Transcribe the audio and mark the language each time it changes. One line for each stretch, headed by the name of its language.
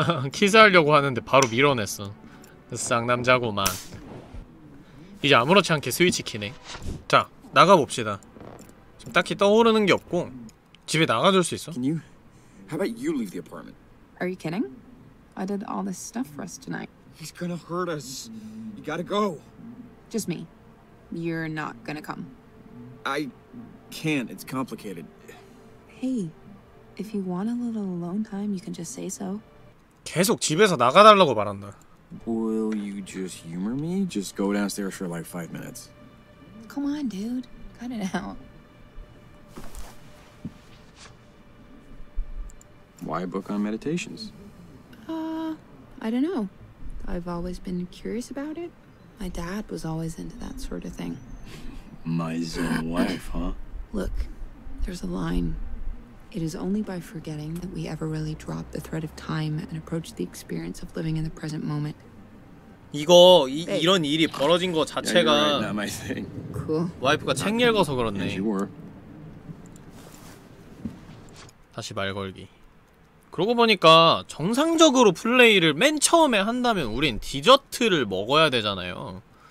Korean: 키스하려고 하는데 바로 밀어냈어. 쌍남자구만. 이제 아무렇지 않게 스위치 키네. 자, 나가봅시다. 지금 딱히 떠오르는 게 없고 집에 나가줄 수 있어?
English: Can you? How about you leave the apartment? Are you kidding? I did all this stuff for us tonight. He's gonna hurt us. You gotta go. Just me. You're not gonna come. I can't. It's complicated. Hey, if you want a little alone time, you can just say so.
Korean: 계속 집에서 나가달라고 말한다.
English: Will you just humor me? Just go downstairs for like 5 minutes. Come on, dude. Cut it out. Why a book on meditations? I don't know. I've always been curious about it. My dad was always into that sort of thing. My Zen wife, huh? Look, there's a line. It is only by forgetting that we ever really drop the thread of time and approach the experience of living in the present moment.
Korean: 이거 이, 이런 일이 벌어진 거 자체가 와이프가 책 읽어서 그렇네. 다시 말 걸기. 그러고 보니까 정상적으로 플레이를 맨 처음에 한다면 우린 디저트를 먹어야 되잖아요.